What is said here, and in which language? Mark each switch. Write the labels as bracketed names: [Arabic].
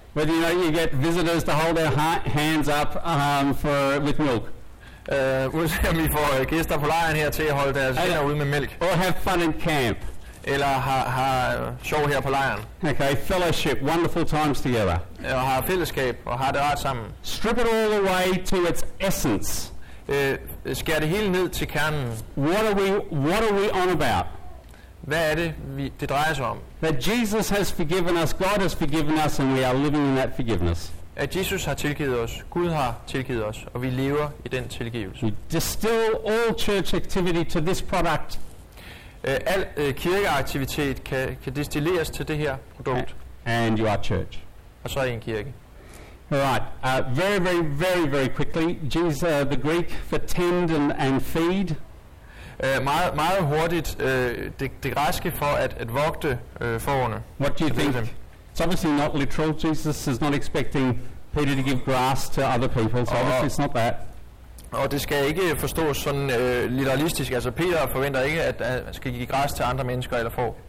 [English] But you know, you get visitors to hold their hands up with milk. [Danish] Uanset om I får gæster på lejren her til at holde deres hænder ude med mælk. [English] Or have fun in camp. [Danish] Eller har sjov her på lejren. [English] Okay, fellowship, wonderful times together. [Danish] Og har fællesskab og har det rart sammen. [English] Strip it all the way to its essence. [Danish] Skær det hele ned til kernen. [English] What are we on about? [Danish] Hvad er det, det drejer sig om? [English] That Jesus has forgiven us, God has forgiven us, and we are living in that forgiveness. [Danish] At Jesus har tilgivet os, Gud har tilgivet os, og vi lever i den tilgivelse. [English] We distill all church activity to this product. [Danish] Al kirkeaktivitet kan distilleres til det her produkt. [English] And you are church. [Danish] Og så er I en kirke. [English] Alright, very, very, very, very quickly. Jesus, the Greek for tend and feed. [Danish] Meget, meget hurtigt det græske for at vogte fårene. [English] What do you think? It's obviously not literal. Jesus is not expecting Peter to give grass to other people, so obviously it's not that. [Danish] Og det skal ikke forstås sådan literalistisk. Altså Peter forventer ikke at han skal give græs til andre mennesker eller får.